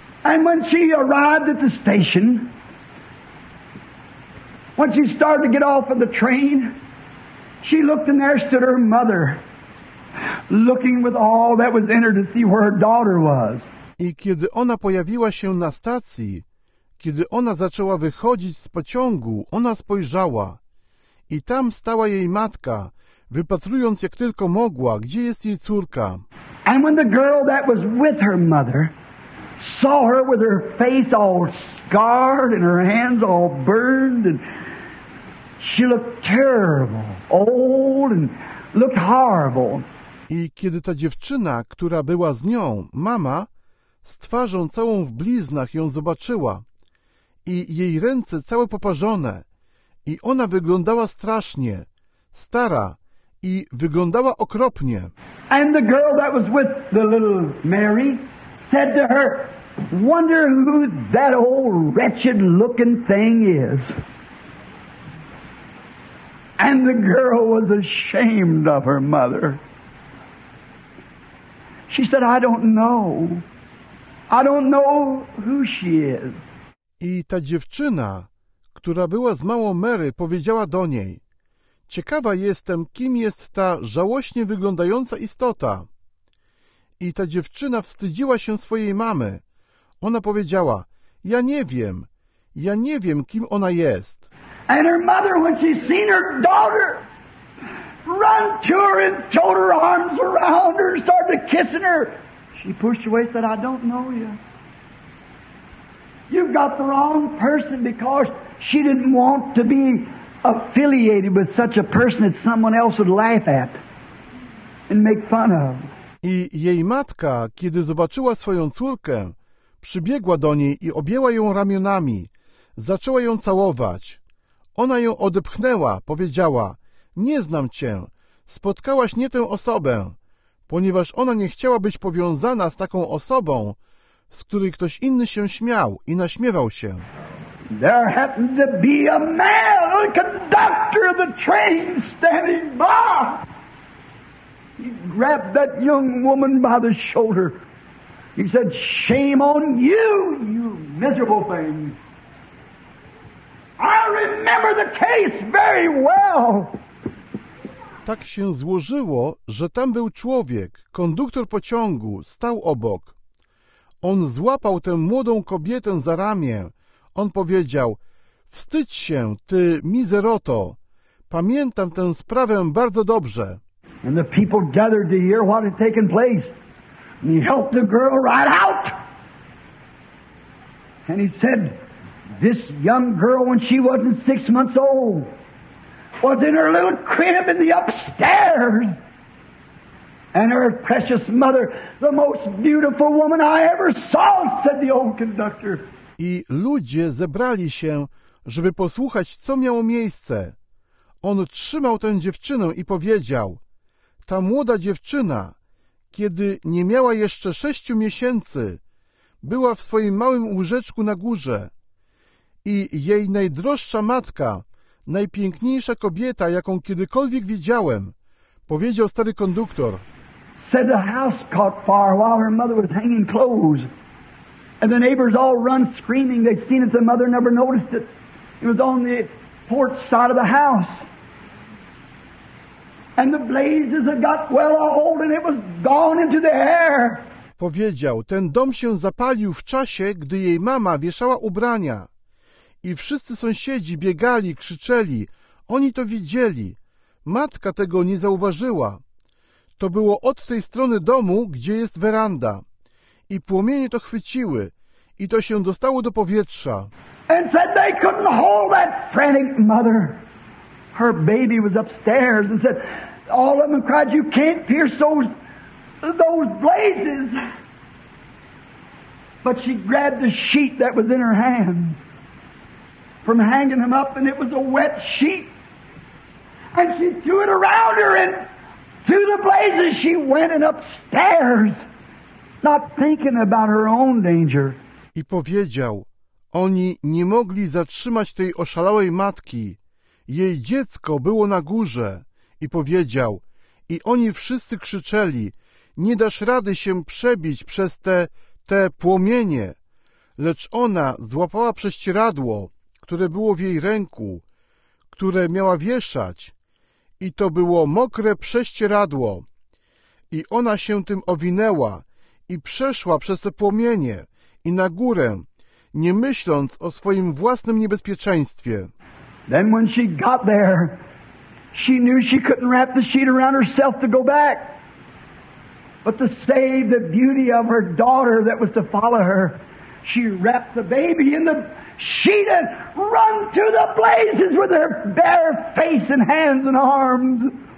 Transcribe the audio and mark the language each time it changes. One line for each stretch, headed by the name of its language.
English: And when she arrived at the station, when she started to get off of the train, she looked and there stood her mother, looking with all that was in her to see where her daughter was.
Polish: I kiedy ona pojawiła się na stacji, kiedy ona zaczęła wychodzić z pociągu, ona spojrzała. I tam stała jej matka, wypatrując jak tylko mogła, gdzie jest jej córka.
English: And when the girl that was with her mother saw her with her face all scarred and her hands all burned, and she looked terrible, old and looked horrible.
Polish: I kiedy ta dziewczyna, która była z nią, mama, z twarzą całą w bliznach ją zobaczyła i jej ręce całe poparzone i ona wyglądała strasznie, stara i wyglądała okropnie.
English: And the girl that was with the little Mary said to her, wonder who that old wretched looking thing is. And the girl was ashamed of her mother. She said, I don't know. I don't know who she is.
Polish: I ta dziewczyna, która była z małą Mary, powiedziała do niej, ciekawa jestem, kim jest ta żałośnie wyglądająca istota. I ta dziewczyna wstydziła się swojej mamy. Ona powiedziała, ja nie wiem, kim ona jest.
English: And her mother, when she seen her daughter, run to her and throw her arms around her and started kissing her. She pushed away and said, I don't know you. You've got the wrong person, because she didn't want to be affiliated with such a person that someone else would laugh at and make fun of.
Polish: I jej matka, kiedy zobaczyła swoją córkę, przybiegła do niej i objęła ją ramionami. Zaczęła ją całować. Ona ją odepchnęła, powiedziała, nie znam cię, spotkałaś nie tę osobę. Ponieważ ona nie chciała być powiązana z taką osobą, z której ktoś inny się śmiał i naśmiewał się.
English: There happened to be a man, a conductor of the train, standing by. He grabbed that young woman by the shoulder. He said, shame on you, you miserable thing. I remember the case very well.
Polish: Tak się złożyło, że tam był człowiek, konduktor pociągu, stał obok. On złapał tę młodą kobietę za ramię. On powiedział, wstydź się, ty mizeroto. Pamiętam tę sprawę bardzo dobrze.
English: And the people gathered to hear what had taken place. And he helped the girl right out. And he said, this young girl, when she wasn't 6 months old, was in her little crib in the upstairs. And her precious mother, the most beautiful woman I ever saw, said the old conductor.
Polish: I ludzie zebrali się, żeby posłuchać, co miało miejsce. On trzymał tę dziewczynę i powiedział, ta młoda dziewczyna, kiedy nie miała jeszcze 6 miesięcy, była w swoim małym łóżeczku na górze. I jej najdroższa matka, najpiękniejsza kobieta, jaką kiedykolwiek widziałem, powiedział stary konduktor.
English: Said the house caught fire while her mother was hanging clothes. And the neighbors all run screaming. They'd seen it, the mother never noticed it. It was on the porch side of the house. And the blazes had got well old and it was gone into the air.
Polish: Powiedział, ten dom się zapalił w czasie, gdy jej mama wieszała ubrania. I wszyscy sąsiedzi biegali, krzyczeli. Oni to widzieli. Matka tego nie zauważyła. To było od tej strony domu, gdzie jest weranda. i płomienie to chwyciły i to się dostało do powietrza.
English: And said they couldn't hold that frantic mother. Her baby was upstairs and said, all of them cried, you can't pierce those blazes. But she grabbed the sheet that was in her hands from hanging them up, and it was a wet sheet. And she threw it around her, and through the blazes she went and upstairs, not thinking about her own danger.
Polish: I powiedział, oni nie mogli zatrzymać tej oszalałej matki. Jej dziecko było na górze. I powiedział, i oni wszyscy krzyczeli, nie dasz rady się przebić przez te płomienie. Lecz ona złapała prześcieradło, które było w jej ręku, które miała wieszać. I to było mokre prześcieradło. I ona się tym owinęła i przeszła przez te płomienie i na górę, nie myśląc o swoim własnym niebezpieczeństwie.
English: Then when she got there, she knew she couldn't wrap the sheet around herself to go back. But to save the beauty of her daughter that was to follow her, she wrapped the baby in the sheet and run to the blazes with her bare face and hands and arms.